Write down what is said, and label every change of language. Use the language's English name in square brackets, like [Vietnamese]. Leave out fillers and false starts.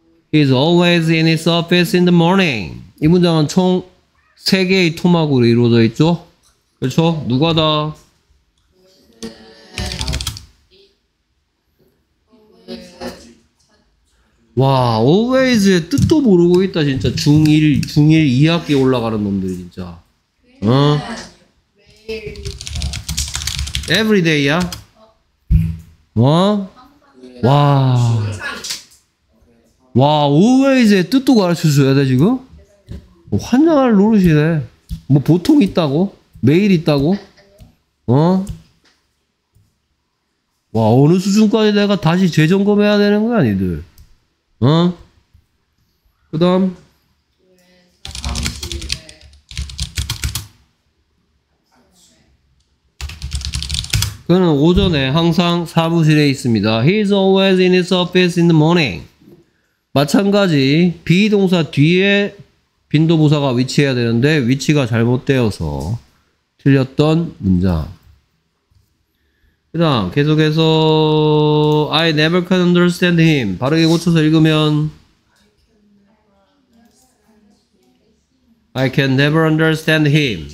[English] 'He's always in his office in the morning.' [Korean] 이 문장은 총 3개의 토막으로 이루어져 있죠? 그렇죠? 누가 다? 와, always의 뜻도 모르고 있다, 진짜. 중1 2학기 올라가는 놈들이, 진짜. 어? Every day야? 어? 와. 와, always의 뜻도 가르쳐 줘야 돼, 지금? 환장할 노릇이네. 뭐, 보통 있다고? 매일 있다고? 어? 와, 어느 수준까지 내가 다시 재점검해야 되는 거야, 니들? 어? 그 다음 그는 오전에 항상 사무실에 있습니다. [English] He's always in his office in the morning. [Korean] 마찬가지 비동사 뒤에 빈도부사가 위치해야 되는데 위치가 잘못되어서 틀렸던 문장. 그 다음 계속해서 [English] I never can understand him. [Korean] 바르게 고쳐서 읽으면 [English] I can never understand him.